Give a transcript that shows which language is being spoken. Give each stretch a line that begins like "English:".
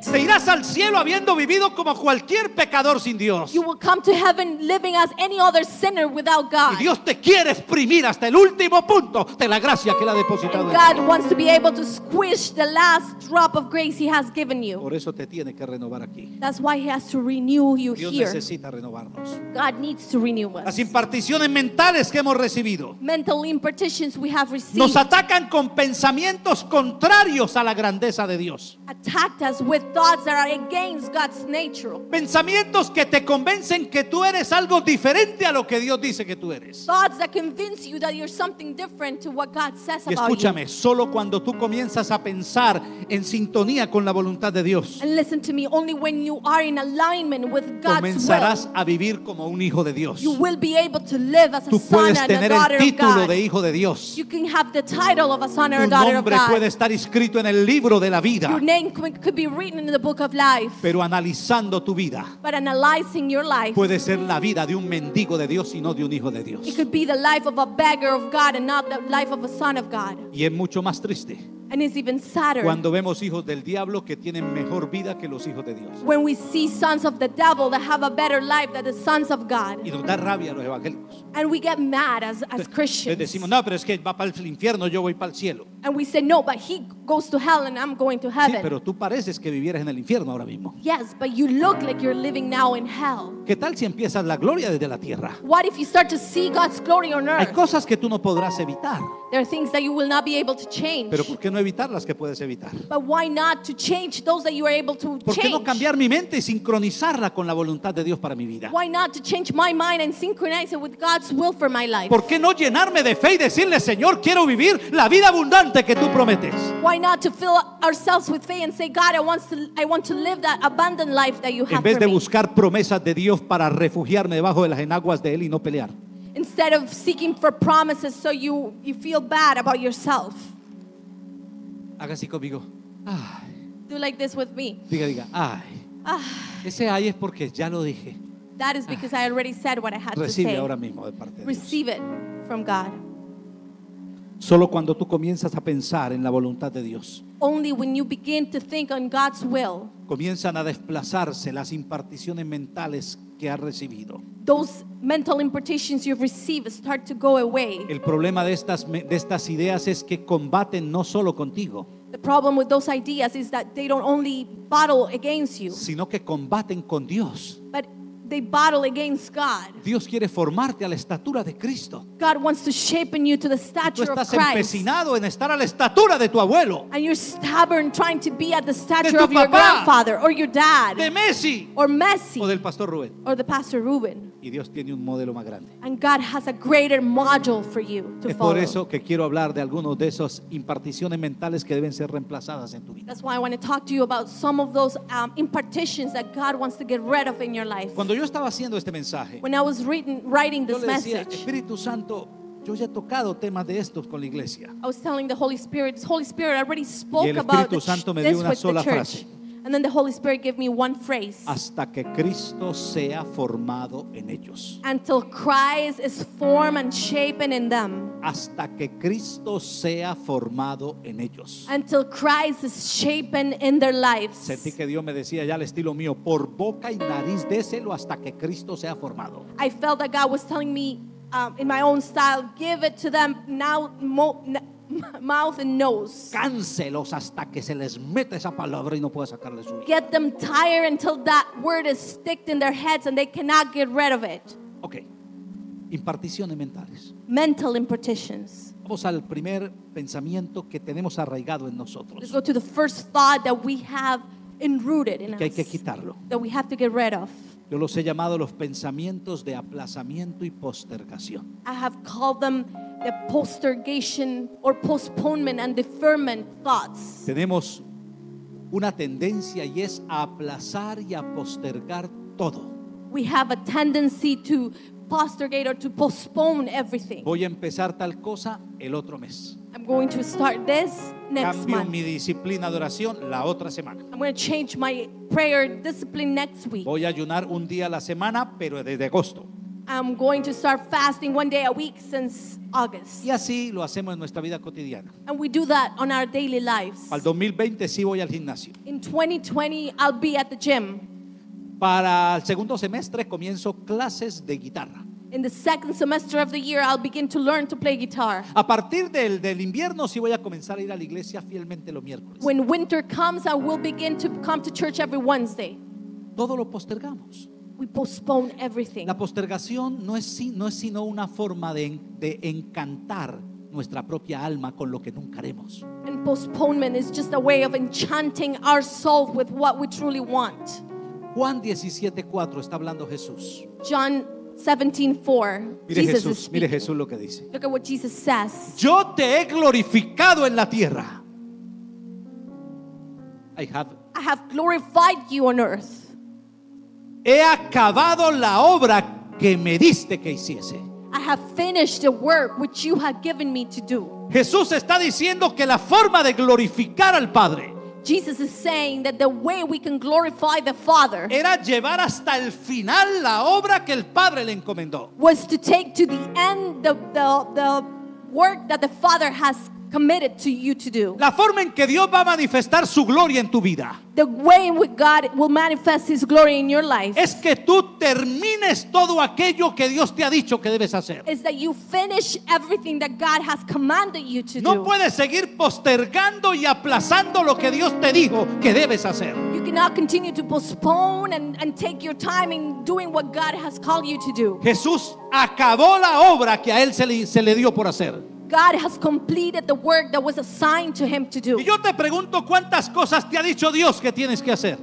Spanish: Te irás al cielo habiendo vivido como cualquier pecador sin Dios.
English: You will come to heaven living as any other sinner without God.
Spanish: Y Dios te quiere exprimir hasta el último punto de la gracia que le ha depositado.
English: And God wants to be able to squish the last drop of grace he has given you.
Spanish: Por eso te tiene que renovar aquí.
English: That's why he has to renew you
Spanish: Dios
English: here.
Spanish: Dios necesita renovarnos.
English: God needs to renew us.
Spanish: Las imparticiones mentales que hemos recibido.
English: Mental impartitions we have received.
Spanish: Nos atacan con pensamientos contrarios a la grandeza de Dios.
English: Attacked us with thoughts that are against God's nature.
Spanish: Pensamientos que te convencen que tú eres algo diferente a lo que Dios dice que tú eres.
English: Thoughts that convince you that you're something different to what God says about you.
Spanish: Y escúchame, solo cuando tú comienzas a pensar en sintonía con la voluntad de Dios.
English: And listen to me, only when you are in alignment with God's will.
Spanish: Comenzarás a vivir como un hijo de Dios.
English: You will be able to live as a son and a daughter
Spanish: el título
English: of God.
Spanish: De hijo de Dios.
English: You can have the title of a son or a daughter of God.
Spanish: Tu nombre puede estar escrito en el libro de la vida.
English: Your name could be written in the book of life.
Spanish: Pero analizando tu vida.
English: But analyzing your life.
Spanish: Puede ser la vida de un mendigo de Dios y no de un hijo de Dios.
English: It could be the life of a beggar of God and not the life of a son of God.
Spanish: Y es mucho más triste.
English: And it's even sadder.
Spanish: Cuando vemos hijos del diablo que tienen mejor vida que los hijos de Dios.
English: When we see sons of the devil that have a better life than the sons of God.
Spanish: Y nos da rabia a los evangélicos.
English: And we get mad as Christians.
Spanish: Le decimos, no, pero es que va para el infierno, yo voy para el cielo.
English: And we say, no, but he goes to hell and I'm going to heaven.
Spanish: Sí, pero tú pareces que vivieras en el infierno ahora mismo.
English: Yes, but you look like you're living now in hell.
Spanish: ¿Qué tal si empiezas la gloria desde la tierra?
English: What if you start to see God's glory on earth?
Spanish: Hay cosas que tú no podrás evitar.
English: There are things that you will not be able to change.
Spanish: Pero ¿por qué no evitar las que puedes evitar?
English: But why not to change those that you are able to change?
Spanish: ¿Por qué no cambiar mi mente y sincronizarla con la voluntad de Dios para mi vida?
English: Why not to change my mind and synchronize it with God's will for my life?
Spanish: ¿Por qué no llenarme de fe y decirle, Señor, quiero vivir la vida abundante que tú prometes?
English: Why not to fill ourselves with faith and say, God, I want to live that abundant life that you have for me.
Spanish: En vez de buscar promesas de Dios para refugiarme debajo de las enaguas de él y no pelear.
English: Instead of seeking for promises so you feel bad about yourself.
Spanish: Haga así conmigo.
English: Do like this with me.
Spanish: Diga. Ay. Ese ay es porque ya lo dije.
English: That is because I already said what I had to say.
Spanish: Recibe ahora mismo de parte de Dios.
English: Receive it from God.
Spanish: Solo cuando tú comienzas a pensar en la voluntad de Dios.
English: Only when you begin to think on God's will.
Spanish: Comienzan a desplazarse las imparticiones mentales que has recibido.
English: Those mental impartitions you've received start to go away.
Spanish: El problema de estas ideas es que combaten no solo contigo.
English: The problem with those ideas is that they don't only battle against you.
Spanish: Sino que combaten con Dios.
English: But they battle against God.
Spanish: Dios quiere formarte a la estatura de Cristo.
English: God wants to shape you to the stature of Christ.
Spanish: Tú estás empecinado en estar a la estatura de tu abuelo.
English: And you're stubborn trying to be at the stature of your grandfather or your dad.
Spanish: De Messi.
English: Or Messi.
Spanish: O del pastor Rubén.
English: Or the pastor Ruben.
Spanish: Y Dios tiene un modelo más grande.
English: And God has a greater model for you to follow.
Spanish: Es por eso que quiero hablar de algunos de esos imparticiones mentales que deben ser reemplazadas en tu vida.
English: That's why I want to talk to you about some of those impartitions that God wants to get rid of in your life.
Spanish: Cuando yo estaba haciendo este mensaje,
English: when I was writing this message,
Spanish: Espíritu Santo, yo ya he tocado temas de estos con la iglesia.
English: I was telling the Holy Spirit, I already spoke about this with the church.
Spanish: Y el Espíritu Santo me dio una sola frase.
English: And then the Holy Spirit gave me one phrase.
Spanish: Hasta que Cristo sea formado en ellos.
English: Until Christ is formed and shapen in them.
Spanish: Hasta que Cristo sea formado en ellos.
English: Until Christ is shapen in their lives.
Spanish: Sentí que Dios me decía ya al estilo mío, por boca y nariz déselo hasta que Cristo sea formado.
English: I felt that God was telling me in my own style, give it to them now, mouth and nose.
Spanish: Cáncelos hasta que se les meta esa palabra y no pueda sacarle su vida.
English: Get them tired until that word is sticked in their heads and they cannot get rid of it.
Spanish: Okay. Imparticiones mentales.
English: Mental impartitions.
Spanish: Vamos al primer pensamiento que tenemos arraigado en nosotros.
English: Let's go to the first thought that we have enrooted in us.
Spanish: Que hay que quitarlo.
English: That we have to get rid of.
Spanish: Yo los he llamado los pensamientos de aplazamiento y postergación.
English: I have called them the postergation or postponement and deferment thoughts.
Spanish: Tenemos una tendencia y es aplazar y a postergar todo.
English: We have a tendency to postergate or to postpone everything.
Spanish: Voy a empezar tal cosa el otro mes.
English: I'm going to start this next month.
Spanish: Cambio mi disciplina de oración la otra semana.
English: I'm going to change my prayer discipline next week.
Spanish: Voy a ayunar un día a la semana, pero desde agosto.
English: I'm going to start fasting one day a week since August.
Spanish: Y así lo hacemos en nuestra vida cotidiana.
English: And we do that on our daily lives.
Spanish: Al 2020 sí voy al gimnasio.
English: In 2020 I'll be at the gym.
Spanish: Para el segundo semestre comienzo clases de guitarra.
English: In the second semester of the year, I'll begin to learn to play guitar.
Spanish: A partir del invierno, sí voy a comenzar a ir a la iglesia fielmente los miércoles.
English: When winter comes, I will begin to come to church every Wednesday.
Spanish: Todo lo postergamos.
English: We postpone everything.
Spanish: La postergación no es sino una forma de encantar nuestra propia alma con lo que nunca haremos.
English: And postponement is just a way of enchanting our soul with what we truly want.
Spanish: Juan 17:4 está hablando Jesús.
English: John 17:4.
Spanish: Mire Jesús, mire Jesús lo que dice.
English: Look at what Jesus says.
Spanish: Yo te he glorificado en la tierra.
English: I have glorified you on earth.
Spanish: He acabado la obra que me diste que hiciese.
English: I have finished the work which you have given me to do.
Spanish: Jesús está diciendo que la forma de glorificar al Padre.
English: Jesus is saying that the way we can glorify the Father
Spanish: era llevar hasta el final la obra que el Padre le encomendó.
English: Was to take to the end the work that the Father has committed to you to do.
Spanish: La forma en que Dios va a manifestar su gloria en tu vida.
English: The way in which God will manifest His glory in your life.
Spanish: Es que tú termines todo aquello que Dios te ha dicho que debes hacer.
English: Is that you finish everything that God has commanded you to
Spanish: no
English: do.
Spanish: No puedes seguir postergando y aplazando lo que Dios te dijo que debes hacer.
English: You cannot continue to postpone and take your time in doing what God has called you to do.
Spanish: Jesús acabó la obra que a Él se le dio por hacer.
English: God has completed the work that was assigned to him to do.
Spanish: Y yo te pregunto cuántas cosas te ha dicho Dios que tienes que hacer.